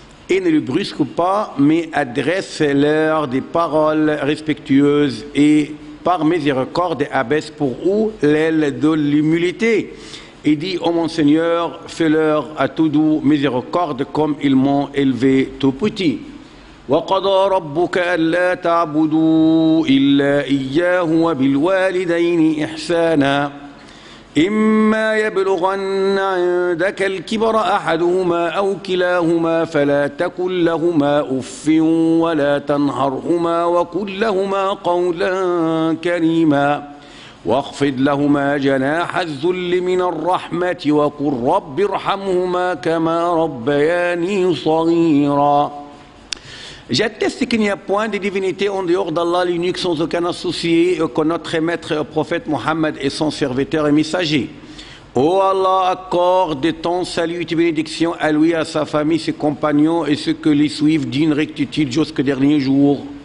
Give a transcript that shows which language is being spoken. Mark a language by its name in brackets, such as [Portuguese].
[French] Et ne le brusque pas, mais adresse-leur des paroles respectueuses et par miséricorde abaisse pour eux l'aile de l'humilité. Et dit, ô mon Seigneur, fais-leur à tout doux miséricorde comme ils m'ont élevé tout petit. [Arabic] وقضى ربك ألا تعبدوا إلا إياه وبالوالدين إحسانا إما يبلغن عندك الكبر أحدهما أو كلاهما فلا تقل لهما أف ولا تنهرهما وقل لهما قولا كريما واخفض لهما جناح الذل من الرحمة وقل رب ارحمهما كما ربياني صغيرا. [French] J'atteste qu'il n'y a point de divinité en dehors d'Allah l'unique sans aucun associé que notre maître et prophète Mohammed et son serviteur et messager. Ô Allah, accorde ton salut et tes bénédictions à lui, à sa famille, ses compagnons et ceux que les suivent d'une rectitude jusqu'au dernier jour.